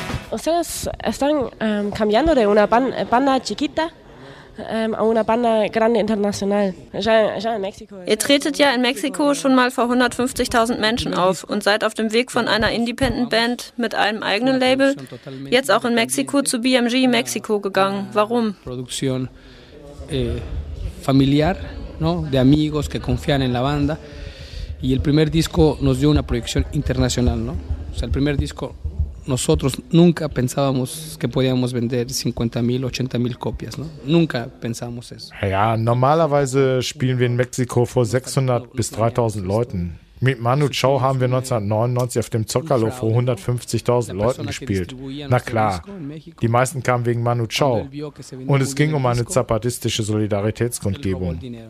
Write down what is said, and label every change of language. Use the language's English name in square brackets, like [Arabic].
[Spanish] Ustedes están cambiando de una banda chiquita una banda grande internacional. Ya en México. [German] Ihr tretet ja in Mexiko schon mal vor 150.000 Menschen auf und seid auf dem Weg von einer Independent Band mit einem eigenen Label jetzt auch in Mexiko zu BMG Mexiko gegangen. Warum? [Spanish] Produktion familiar, ¿no? De amigos que confían en la banda y el primer disco nos dio una proyección internacional, ¿no? O sea, el primer disco nosotros nunca pensábamos que podíamos vender 50.000, 80.000 copias, ¿no? Nunca pensamos eso. [German] Ja, normalerweise spielen wir in Mexiko vor 600 bis 3.000 Leuten. Mit Manu Chao haben wir 1999 auf dem Zócalo vor 150.000 Leuten gespielt. Na klar, die meisten kamen wegen Manu Chao. Und es ging um eine zapatistische Solidaritätskundgebung.